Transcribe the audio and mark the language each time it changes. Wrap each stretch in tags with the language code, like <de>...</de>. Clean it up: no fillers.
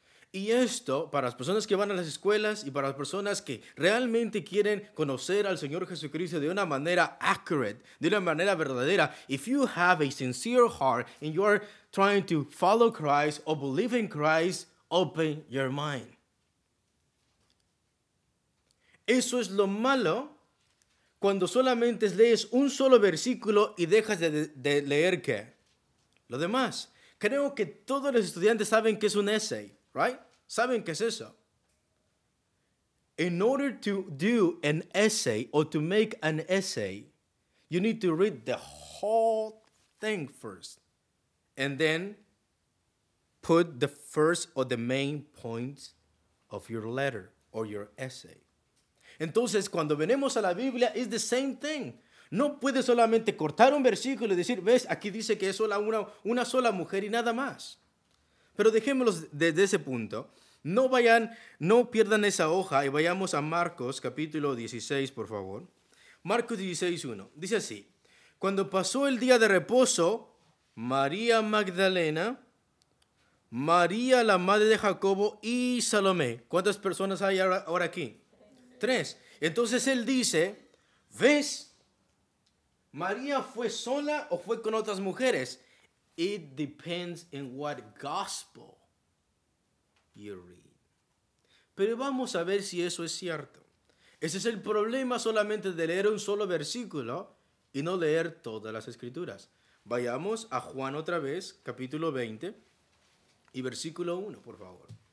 <es>Y esto, para las personas que van a las escuelas y para las personas que realmente quieren conocer al Señor Jesucristo de una manera accurate, de una manera verdadera,</es> <en>if you have a sincere heart and you are trying to follow Christ or believe in Christ, open your mind.</en> <es>Eso es lo malo cuando solamente lees un solo versículo y dejas de leer ¿qué? Lo demás. Creo que todos los estudiantes saben que es un essay. Right? ¿Saben qué es eso?</es> <en>In order to do an essay or to make an essay, you need to read the whole thing first. And then put the first or the main points of your letter or your essay.</en> <es>Entonces, cuando venimos a la Biblia,</es> <en>it's the same thing.</en> <es>No puedes solamente cortar un versículo y decir, ves, aquí dice que es solo una sola mujer y nada más. Pero dejémoslos desde ese punto. No vayan, no pierdan esa hoja y vayamos a Marcos capítulo 16, por favor. Marcos 16, 1. Dice así. Cuando pasó el día de reposo, María Magdalena, María la madre de Jacobo y Salomé. ¿Cuántas personas hay ahora aquí? Tres. Entonces él dice, ¿ves? ¿María fue sola o fue con otras mujeres?</es> <en>It depends in what gospel you read.</en> <es>Pero vamos a ver si eso es cierto. Ese es el problema solamente de leer un solo versículo y no leer todas las escrituras. Vayamos a Juan otra vez, capítulo 20 y versículo 1, por favor.</es>